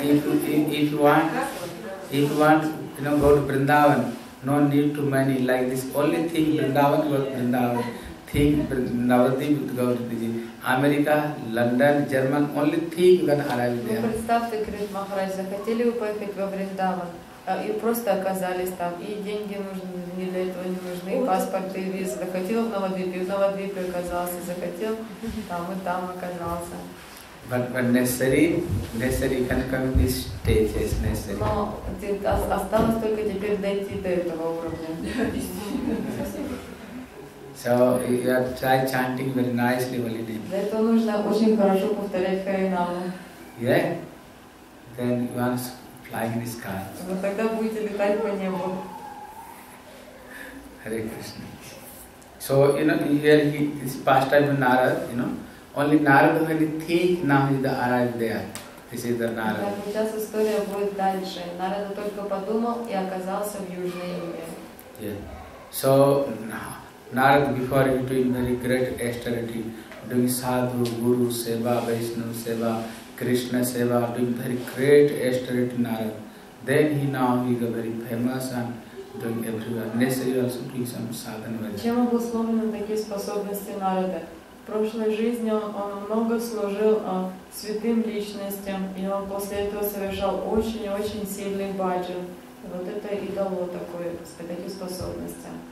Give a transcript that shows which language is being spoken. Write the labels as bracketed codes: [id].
[en] If you want, you know, go to Vrindavan, no need to many like this. Only think Vrindavan, go to Vrindavan. Think Navadvip, go to Diji. America, London, German, only think you can arrive there. [ru] Представьте, Кришна Махарадж, захотели вы поехать во Вриндаван, и просто оказались там, и деньги нужны, не для этого не нужны, и паспорт, и виза. Захотел в Навадвипе, и в Навадвипе оказался, захотел, там и там оказался. [en] But necessary can come this stage is necessary. [ru] Но осталось только теперь дойти до этого уровня. [en] So you have try chanting very nicely every day. [ru] Для этого нужно очень хорошо повторять харинаму. [en] Yeah. Then you are flying in the sky. [ru] Но тогда будете летать по небу. [en] Hare Krishna. So you know here he this pastime in Narad, you know. Only Narada when he think now he arrived there. This is the Narada. [ru] Так, сейчас история будет дальше. Нарада только подумал и оказался в Южной Индии. [en] Yeah. So Narada before into in very great austerity, doing sadhu, guru seva, Vaishnava seva, Krishna seva, doing very great austerity Narada. Then he now he got very famous and doing everywhere. Necessary also doing some sadhana. [ru] Чем обусловлены такие способности Нарада? В прошлой жизни он много служил святым личностям, и он после этого совершал очень-очень сильный баджан. Вот это и дало такое, такие способности.